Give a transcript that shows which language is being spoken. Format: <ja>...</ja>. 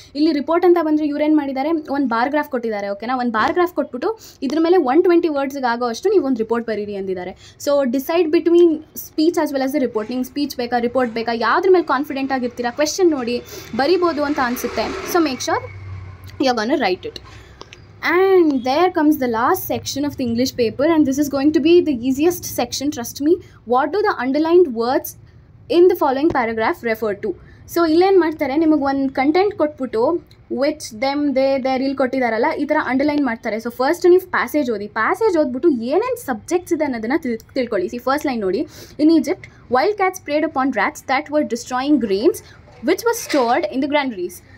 <kn>ಇಲ್ಲಿ ರಿಪೋರ್ಟ್ ಅಂತ ಬಂದರೆ ಇವ್ರೇನು ಮಾಡಿದ್ದಾರೆ, ಒಂದು ಬಾರ್ಗ್ರಾಫ್ ಕೊಟ್ಟಿದ್ದಾರೆ, ಓಕೆನಾ. ಒಂದು ಬಾರ್ಗ್ರಾಫ್ ಕೊಟ್ಬಿಟ್ಟು ಇದ್ರ ಮೇಲೆ 120 words ಆಗೋ ಅಷ್ಟು ನೀವು ಒಂದು ರಿಪೋರ್ಟ್ ಬರೀರಿ ಅಂದಿದ್ದಾರೆ.</kn> <en>So decide between speech as well as a report.</en> <kn>ನಿಮ್ಗೆ ಸ್ಪೀಚ್ ಬೇಕಾ, ರಿಪೋರ್ಟ್ ಬೇಕಾ, ಯಾವ್ದ್ರ ಮೇಲೆ ಕಾನ್ಫಿಡೆಂಟ್ ಆಗಿರ್ತೀರಾ, ಕ್ವೆಶನ್ ನೋಡಿ ಬರಿಬೋದು ಅಂತ ಅನಿಸುತ್ತೆ.</kn> <en>So make sure you are going to write it. And there comes the last section of the English paper, and this is going to be the easiest section, trust me. What do the underlined words in the following paragraph refer to?</en> <kn>So ಇಲ್ಲೇನು ಮಾಡ್ತಾರೆ, ನಿಮಗೆ ಒಂದು content ಕೊಟ್ಬಿಟ್ಟು which them they there ಇಲ್ಲಿ ಕೊಟ್ಟಿದಾರಲ್ಲ ಈ ಥರ underline ಮಾಡ್ತಾರೆ. So first ನೀವು ಪ್ಯಾಸೇಜ್ ಓದಿ, ಪ್ಯಾಸೇಜ್ ಓದ್ಬಿಟ್ಟು ಏನೇನು ಸಬ್ಜೆಕ್ಟ್ಸ್ ಇದೆ ಅನ್ನೋದನ್ನು ತಿಳ್ಕೊಳ್ಳಿ.</kn> <en>See first line ನೋಡಿ, in Egypt wild cats preyed upon rats that were destroying grains which was stored in the granaries.</en>